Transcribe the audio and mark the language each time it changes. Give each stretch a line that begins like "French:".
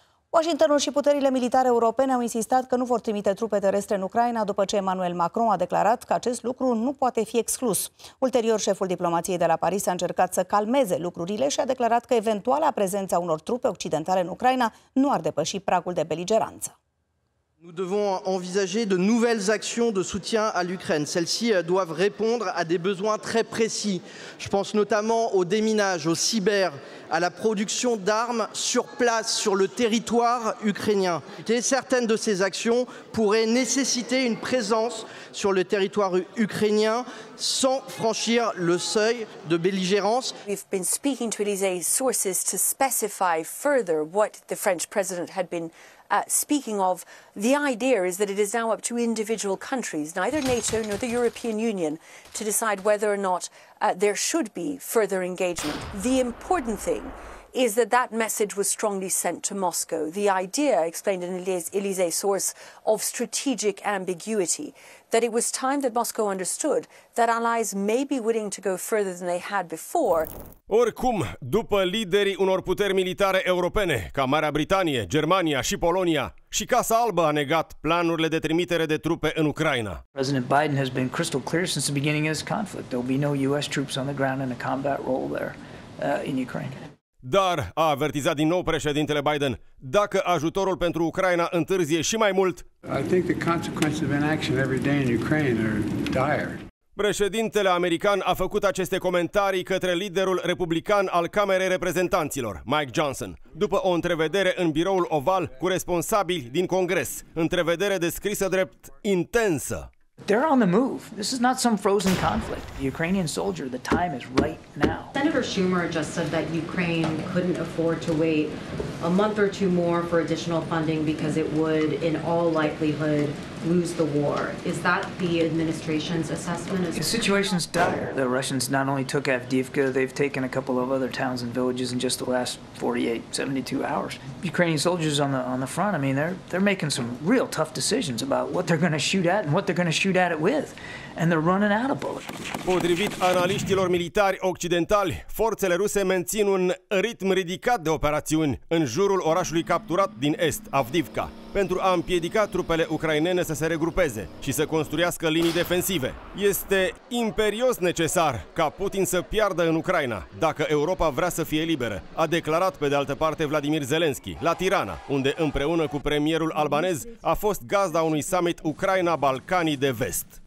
Romanian: Washingtonul și puterile militare europene au insistat că nu vor trimite trupe terestre în Ucraina după ce Emmanuel Macron a declarat că acest lucru nu poate fi exclus. Ulterior, șeful diplomației de la Paris a încercat să calmeze lucrurile și a declarat că eventuala prezența unor trupe occidentale în Ucraina nu ar depăși pragul de beligeranță.
French: Nous devons envisager de nouvelles actions de soutien à l'Ukraine. Celles-ci doivent répondre à des besoins très précis. Je pense notamment au déminage, au cyber, à la production d'armes sur place, sur le territoire ukrainien. Et certaines de ces actions pourraient nécessiter une présence sur le territoire ukrainien sans franchir le seuil de belligérance.
English: We've been speaking to Elysee sources to specify further what the French president had been speaking of. The idea is that it is now up to individual countries, neither NATO nor the European Union, to decide whether or not there should be further engagement. The important thing is that that message was strongly sent to Moscow. The idea, explained an Elysee source, of strategic ambiguity, that it was time that Moscow understood that allies may be willing to go further than they had before.
Romanian: Oricum, după liderii unor puteri militare europene, ca Marea Britanie, Germania și Polonia, și Casa Albă a negat planurile de trimitere de trupe în Ucraina.
English: President Biden has been crystal clear since the beginning of this conflict. There will be no US troops on the ground in a combat role there in Ukraine.
Romanian: Dar, a avertizat din nou președintele Biden, dacă ajutorul pentru Ucraina întârzie și mai mult,
English: I think the consequences of inaction every day in Ukraine are dire.
Romanian: Președintele american a făcut aceste comentarii către liderul republican al Camerei Reprezentanților, Mike Johnson, după o întrevedere în biroul Oval cu responsabili din Congres, întrevedere descrisă drept intensă.
English: They're on the move. This is not some frozen conflict. The Ukrainian soldier, the time is right now. Senator Schumer just said that Ukraine couldn't afford to wait a month or two more for additional funding because it would, in all likelihood, lose the war. Is that the administration's assessment? The situation's dire. The Russians not only took Avdiivka, they've taken a couple of other towns and villages in just the last 48, 72 hours. Ukrainian soldiers on the front, I mean, they're making some real tough decisions about what they're going to shoot at and what they're going to shoot at it with. And they're running out of bullets.
Romanian: Potrivit analiștilor militari occidentali, forțele ruse mențin un ritm ridicat de operațiuni în jurul orașului capturat din est, Avdiivka, pentru a împiedica trupele ucrainene să se regrupeze și să construiască linii defensive. Este imperios necesar ca Putin să piardă în Ucraina, dacă Europa vrea să fie liberă, a declarat pe de altă parte Vladimir Zelensky, la Tirana, unde împreună cu premierul albanez a fost gazda unui summit Ucraina-Balcanii de Vest.